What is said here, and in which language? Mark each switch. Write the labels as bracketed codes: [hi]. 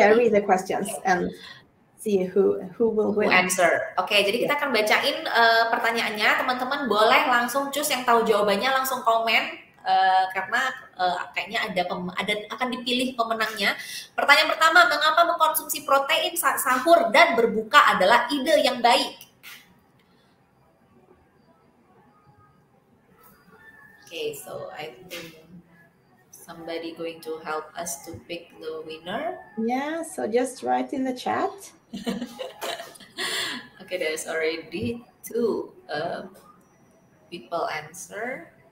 [en] Yeah, read the questions and see who will win. Who answer. [id] Okay, jadi kita akan bacain pertanyaannya. Teman-teman boleh langsung choose yang tahu jawabannya, langsung komen. Karena kayaknya ada akan dipilih pemenangnya. Pertanyaan pertama, mengapa mengkonsumsi protein saat sahur dan berbuka adalah ide yang baik? [en] Okay, so I think somebody going to help us to pick the winner. Yeah, so just write in the chat. Okay, there's already two people answer.